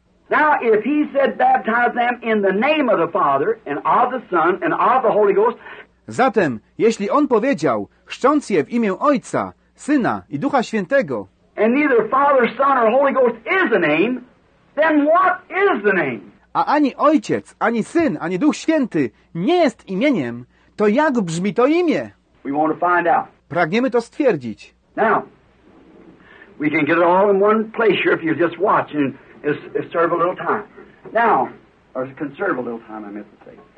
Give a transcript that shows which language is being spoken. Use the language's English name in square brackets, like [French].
[English] Now, if he said baptize them in the name of the Father and of the Son and of the Holy Ghost. [Polish] Zatem, jeśli on powiedział, chrzcząc je w imię Ojca, Syna i Ducha Świętego. [English] And neither Father, Son or Holy Ghost is a name. Then what is the name? [Polish] A ani Ojciec, ani Syn, ani Duch Święty nie jest imieniem, to jak brzmi to imię? [English] We want to find out. [Polish] Pragniemy to stwierdzić. [English] Now, we can get it all in one place here if you just watch and serve a little time. Now, or conserve a little time, I meant to say.